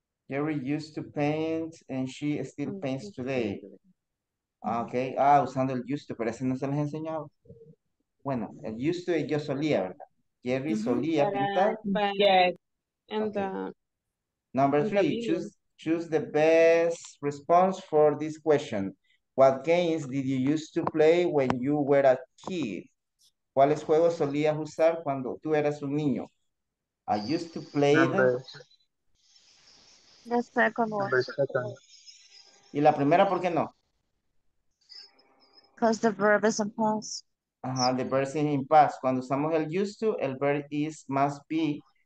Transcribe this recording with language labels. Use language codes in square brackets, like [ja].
[en] Jerry used to paint and she still paints today. Okay. [es] Ah, usando el used to, pero ese no se les enseñaba. Bueno, el used to, yo solía, ¿verdad? Jerry solía pintar. [en] Yes. And okay. Number three, choose the best response for this question. What games did you used to play when you were a kid? [es] ¿Cuáles juegos solías usar cuando tú eras un niño? [en] I used to play the second one. [es] ¿Y la primera por qué no? [en] Because the verb is in past. [es] Ajá, [en] the verb is in past. [es] Cuando usamos el used to, el verb is must be.